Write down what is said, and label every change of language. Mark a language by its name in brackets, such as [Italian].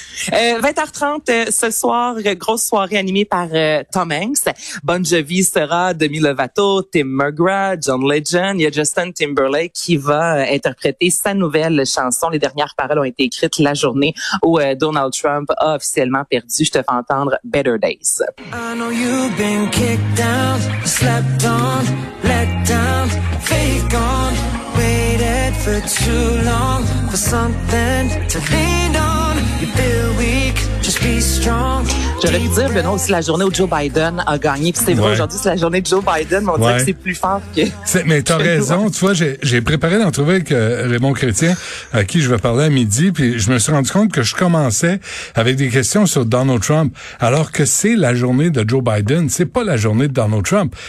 [French] 20h30 ce soir, grosse soirée animée par Tom Hanks. Bon Jovi sera Demi Lovato, Tim McGraw, John Legend. Il y a Justin Timberlake qui va interpréter sa nouvelle chanson. Les dernières paroles ont été écrites la journée où Donald Trump a officiellement perdu. Je te fais entendre Better Days. [English] I know you've been kicked down, slept on, let down, fake on, waited for too long for something to lean on. [French] J'aurais pu dire, Benoît, aussi la journée où Joe Biden a gagné. Puis c'est vrai, aujourd'hui, c'est la journée de Joe Biden, mais on dirait que c'est plus fort que... Mais t'as raison, tu vois, j'ai préparé d'en trouver avec Raymond Chrétien, à qui je vais parler à midi, puis je me suis rendu compte que je commençais avec des questions sur Donald Trump, alors que c'est la journée de Joe Biden, c'est pas la journée de Donald Trump.